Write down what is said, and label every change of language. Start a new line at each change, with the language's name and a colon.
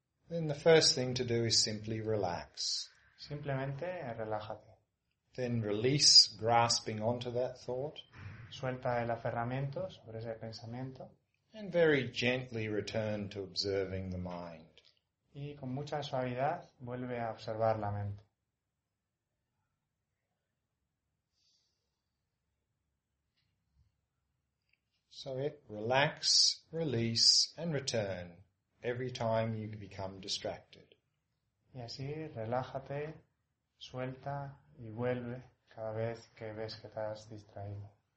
English: then the first thing to do is simply relax.
Spanish: Simplemente relájate.
English: Then release grasping onto that thought.
Spanish: Suelta el aferramiento sobre ese pensamiento.
English: And very gently return to observing the mind.
Spanish: Y con mucha suavidad vuelve a observar la mente.
English: So it relax, release and return every time you become distracted.
Spanish: Y así relájate, suelta y vuelve cada vez que ves que te has distraído.